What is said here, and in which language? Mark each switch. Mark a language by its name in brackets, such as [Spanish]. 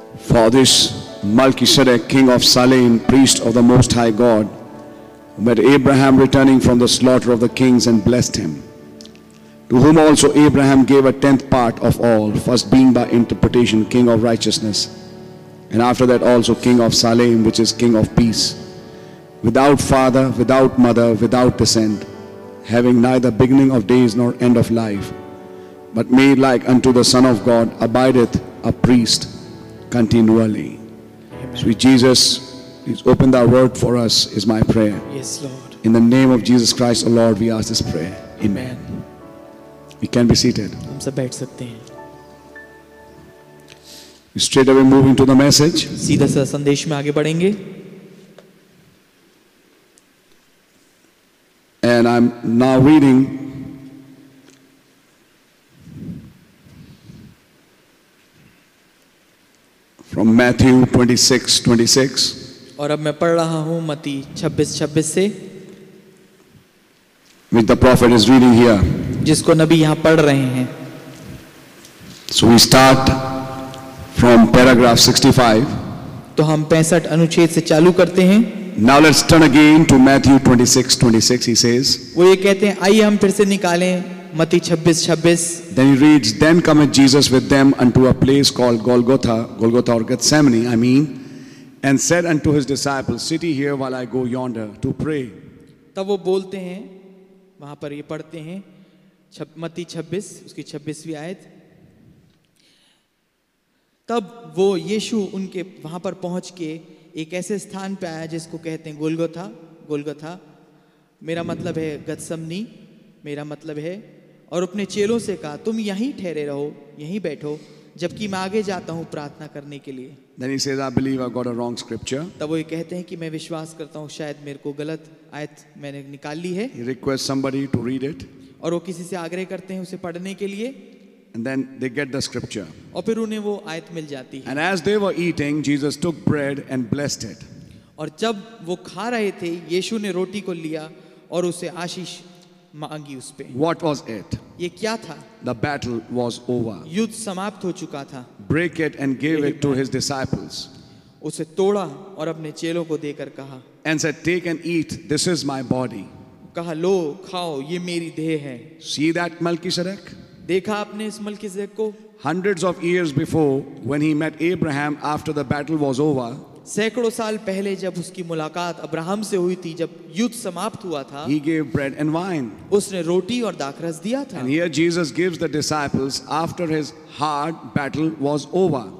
[English] For this Melchizedek king of Salem priest of the most high God met Abraham returning from the slaughter of the kings and blessed him to whom also Abraham gave a tenth part of all first being by interpretation king of righteousness and after that also king of Salem which is king of peace. Without father, without mother, without descent, having neither beginning of days nor end of life, but made like unto the Son of God, abideth a priest continually. Amen. Sweet Jesus, please open thy word for us, is my prayer. Yes, Lord. In the name of Jesus Christ, O Lord, we ask this prayer. Amen. Amen. We can be seated. [Hindi] हम सब बैठ सकते हैं. [English] We straight away move into the message. [Hindi] सीधा सा संदेश में आगे बढ़ेंगे. [English] And I'm now reading from Matthew 26:26. [Hindi] और अब मैं पढ़ रहा हूँ मत्ती 26:26 से, [English] which the prophet is reading here. [Hindi] जिसको नबी यहाँ पढ़ रहे हैं. [English] So we start from paragraph 65. [Hindi] तो हम 65 अनुच्छेद से चालू करते हैं. [English] Now let's turn again to Matthew 26:26. He says, then he reads, then cometh Jesus with them unto a place called Golgotha or Gethsemane, I mean, and said unto his disciples, sit here while I go yonder to pray. [Hindi] तब वो बोलते हैं, वहाँ पर ये पढ़ते हैं, मत्ती 26, उसकी 26वीं आयत. तब वो यीशु उनके वहाँ पर पहुँच के एक ऐसे स्थान पे आया जिसको कहते हैं गोलगोथा, मेरा मतलब है गतसमनी, मेरा मतलब है. और अपने चेलों से कहा, तुम यहीं ठहरे रहो, यहीं बैठो, जबकि मैं आगे जाता हूँ प्रार्थना करने के लिए. [English] Then he says, I believe I got a wrong scripture. [Hindi] तब वो ये कहते हैं कि मैं विश्वास करता हूँ शायद मेरे को गलत आयत मैंने निकाल ली है. [English] He requests somebody to read it. [Hindi] और वो किसी से आग्रह करते हैं उसे पढ़ने के लिए. [English] And then they get the scripture. [Hindi] और फिर उन्हें वो आयत मिल जाती है. [English] And as they were eating, Jesus took bread and blessed it. [Hindi] और जब वो खा रहे थे, यीशु ने रोटी को लिया और उसे आशीष मांगी उस पे. [English] What was it? [Hindi] ये क्या था? [English] The battle was over. [Hindi] युद्ध समाप्त हो चुका था. [English] Break it and gave it to his disciples. [Hindi] उसे तोड़ा और अपने चेलों को देकर कहा. [English] And said, take and eat. This is my body. [Hindi] कहा, लो खाओ, ये मेरी देह है. [English] See that Melchizedek? [Hindi] देखा आपने इस मलकीसेदेक को? [English] Hundreds of years before, when he met Abraham after the battle was over. [Hindi] सैकड़ों साल पहले जब उसकी मुलाकात अब्राहम से हुई थी, जब युद्ध समाप्त हुआ था, [English] he gave bread and wine. [Hindi] उसने रोटी और दाखरस दिया था. [English] And here Jesus gives the disciples after his hard battle was over.